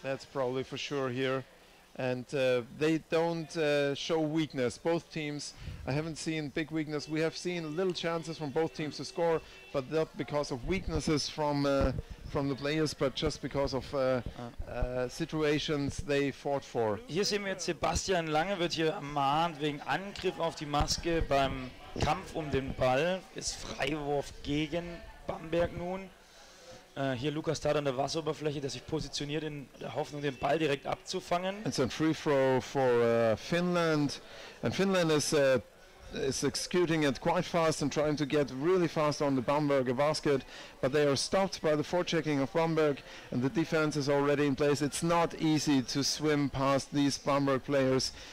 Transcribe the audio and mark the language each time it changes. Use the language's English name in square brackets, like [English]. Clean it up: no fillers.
[English] That's probably for sure here. And they don't show weakness, both teams. I haven't seen big weakness. We have seen little chances from both teams to score, but not because of weaknesses from the players, but just because of situations they fought for. [German] Hier sehen wir Sebastian Lange wird hier ermahnt wegen Angriff auf die Maske beim Kampf um den Ball. Ist Freiwurf gegen Bamberg nun. Hier Lukas Tat an der Wasseroberfläche, der sich positioniert in der Hoffnung, den Ball direkt abzufangen. [English] It's a free throw for Finland. And Finland is executing it quite fast and trying to get really fast on the Bamberg basket. But they are stopped by the forechecking of Bamberg and the defense is already in place. It's not easy to swim past these Bamberg players.